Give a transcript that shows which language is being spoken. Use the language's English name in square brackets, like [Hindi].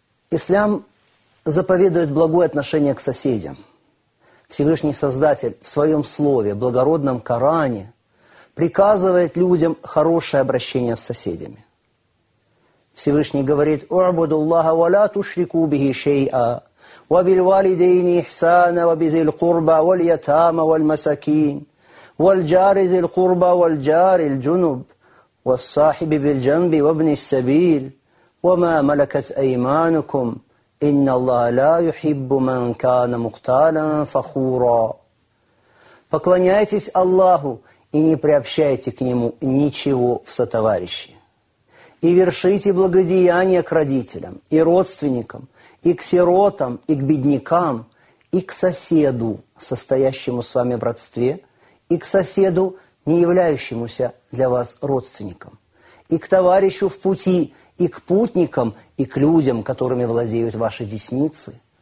[Russian] Ислам заповедует благое отношение к соседям. Всевышний Создатель в своем слове, благородном Коране, приказывает людям хорошее обращение с соседями. Всевышний говорит: [Arabic] «Уабуду Аллаха ва ля тушрику бихи шейа». وبالوالدين إحسانا وبذي القربى واليتامى والمساكين والجار ذي القربى والجار الجنب والصاحب بالجنب وابن السبيل وما ملكت أيمانكم إن الله لا يحب من كان مختالا فخورا. [Russian] Поклоняйтесь Аллаху и не приобщайте к Нему ничего в сотоварищи. И вершите благодеяния к родителям и родственникам, и к сиротам, и к беднякам, и к соседу, состоящему с вами в родстве, и к соседу, не являющемуся для вас родственником, и к товарищу в пути, и к путникам, и к людям, которыми владеют ваши десницы.